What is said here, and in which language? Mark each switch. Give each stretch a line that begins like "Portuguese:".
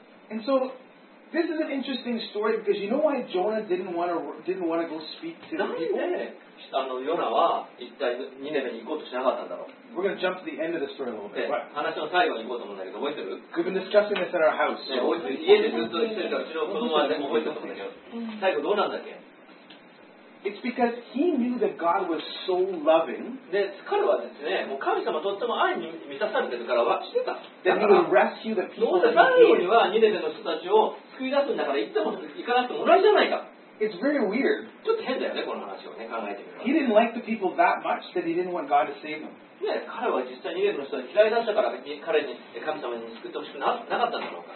English: And so, this is an interesting story because you know why Jonah didn't want to go speak to the people?
Japanese: あのヨナは一体ニネベに行こうとしなかったんだろう。
English: We're going to jump to the end of the story a little bit.
Japanese: 話の最後に行こうと思うんだけど、覚えてる？
English: We've been discussing this at our house.
Japanese: 覚えてる？家でずっと一緒にいた、うちの子供は全部覚えてると思うんだけど、最後どうなんだっけ？
English: It's because he knew that God was so loving.
Japanese: で、彼はですね、もう神様とっても愛に満たされてるから、知ってた。
English: That he would rescue the people.
Japanese: どうせ最後にはニネベの人たちを救い出すんだから、行っても行かなくても同じじゃないか。
English: It's very weird.
Japanese: ちょっと変だよね、この話をね、考えてみると。
English: He didn't like the people that much that he didn't want God to save them.
Japanese: ね、彼は実際にニネベの人を嫌いだったから、彼に神様に救ってほしくなかったんだろうか。